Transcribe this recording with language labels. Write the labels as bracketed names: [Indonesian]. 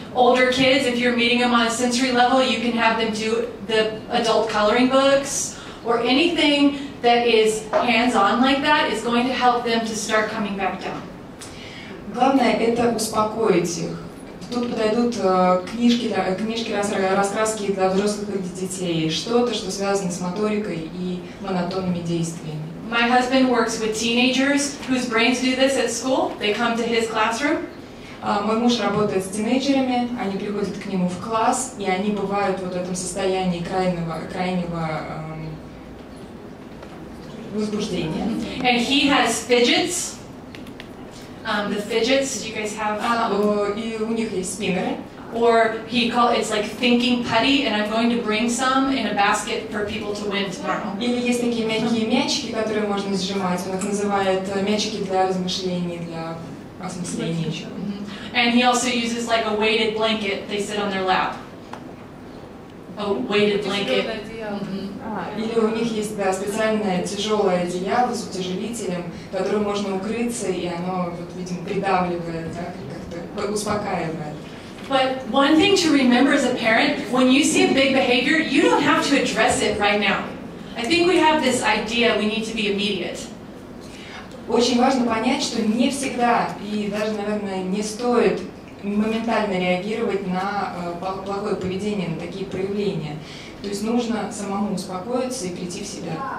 [English] Older kids, if you're meeting them on a sensory level, you can have them do the adult coloring books or anything that is hands-on like that is going to help them to start coming back down. [Russian] Главное это успокоить их. Тут подойдут книжки раскраски для взрослых и детей, что-то, что связано с моторикой и монотонными действиями. [English] My husband works with teenagers whose brains do this at school. They come to his classroom. [Russian] Мой муж работает с тинейджерами. Они приходят к нему в класс, и они бывают вот в этом состоянии крайнего возбуждения. [English] And he has fidgets. The fidgets, do you guys have? [Russian] И у них есть спиннеры. [English] Or he called, it's like thinking putty, and I'm going to bring some in a basket for people to win tomorrow. [Russian] Или есть такие мягкие мячики, которые можно сжимать. Он их называет мячики для размышлений, для осмысления еще. [English] And he also uses like a weighted blanket. They sit on their lap. A weighted blanket. [Russian] Или у них есть, да, специальное тяжелое одеяло с утяжелителем, которое можно укрыться, и оно, вот, видимо, придавливает, да, как-то успокаивает. [English] But one thing to remember as a parent, when you see a big behavior, you don't have to address it right now. I think we have this idea we need to be immediate. [Russian] Очень важно понять, что не всегда, и даже, наверное, не стоит моментально реагировать на плохое поведение, на такие проявления. То есть нужно самому успокоиться и прийти в себя.